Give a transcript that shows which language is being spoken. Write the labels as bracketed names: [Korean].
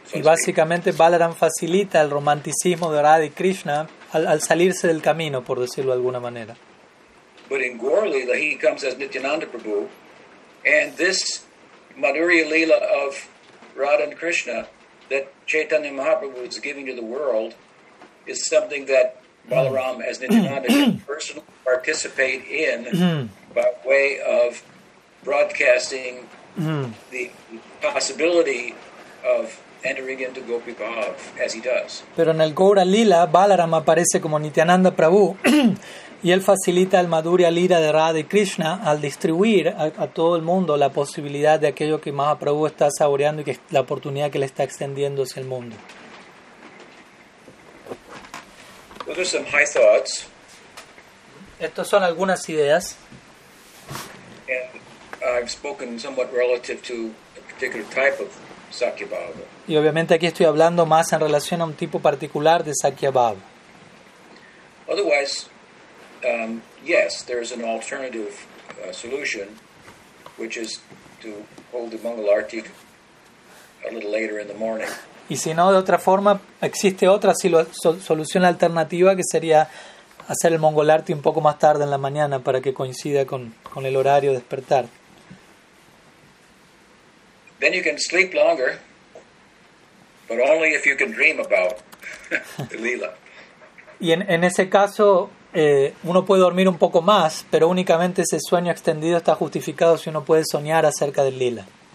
[Spanish] Y básicamente Balaram facilita el romanticismo de Radha y Krishna al salirse del camino, por decirlo de alguna manera. [English] But in Gaur Lila, he comes as Nityananda Prabhu, and this Madhurya Lila of Radha and Krishna that Chaitanya Mahaprabhu is giving to the world is something that Balaram as Nityananda personally participate in by way of broadcasting the possibility of entering into Gopi Bhav as he does. [Spanish] Pero en el Gaura Lila, Balaram aparece como Nityananda Prabhu y él facilita el Madhurya Lila de Radha y Krishna al distribuir a todo el mundo la posibilidad de aquello que Mahaprabhu está saboreando y que es la oportunidad que le está extendiendo hacia el mundo. [English] Those are some high thoughts. [Spanish] Estos son algunas ideas. [English] And I've spoken somewhat relative to a particular type of Sakya Bhava. [Spanish] Y obviamente aquí estoy hablando más en relación a un tipo particular de Sakya Bhava. [English] Otherwise, yes, there is an alternative solution, which is to hold the Mangal Arti a little later in the morning. [Spanish] Y si no, de otra forma, existe otra solución alternativa que sería hacer el Mangal Arti un poco más tarde en la mañana para que coincida con el horario de despertar. [English] Then you can sleep longer, but only if you can dream about the Lila. [Spanish] Y en ese caso, uno puede dormir un poco más, pero únicamente ese sueño extendido está justificado si uno puede soñar acerca del Lila.